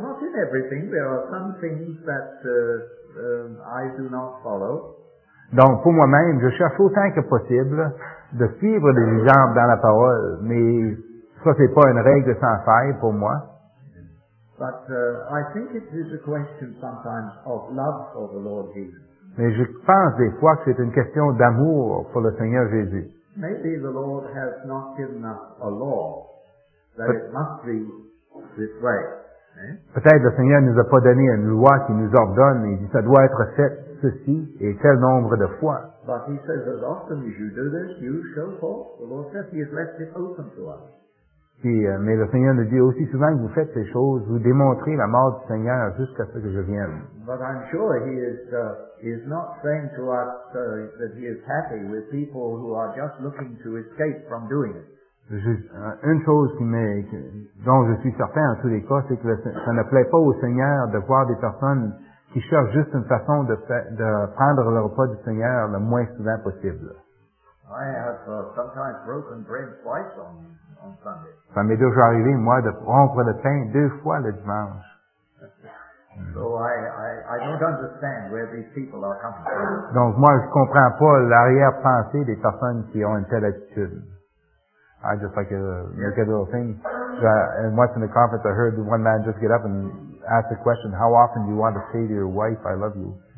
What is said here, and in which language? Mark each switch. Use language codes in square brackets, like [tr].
[en] Not in everything, there are some things that I do not follow. [fr] Donc, pour moi-même, je cherche autant que possible de suivre les exemples dans la parole, mais ça, c'est pas une règle sans faille pour moi. [en] But I think it is a question sometimes of love for the Lord Jesus. [fr] Mais je pense des fois que c'est une question d'amour pour le Seigneur Jésus. [en] Maybe the Lord has not given us a law that it must be this way. [fr] Peut-être le Seigneur ne nous a pas donné une loi qui nous ordonne et dit ça doit être fait ceci et tel nombre de fois. [en] But he says as often as you do this, you shall fall. The Lord says he has left it open to us. [fr] Mais le Seigneur nous dit aussi souvent que vous faites ces choses, vous démontrez la mort du Seigneur jusqu'à ce que je vienne. [en] But I'm sure he is not saying to us that he is happy with people who are just looking to escape from doing it. [fr] Une chose dont je suis certain en tous les cas, c'est que ça ne plaît pas au Seigneur de voir des personnes qui cherchent juste une façon de prendre le repas du Seigneur le moins souvent possible. [en] I have sometimes broken bread twice on Sunday. [fr] Ça m'est déjà arrivé, moi, de rompre le pain deux fois le dimanche. [en] So I don't understand where these people are coming from. [fr] Donc moi, je ne comprends pas l'arrière-pensée des personnes qui ont une telle attitude. [en] I just like to make a little thing. And once in the conference, I heard one man just get up and ask the question, how often do you want to say to your wife, I love you?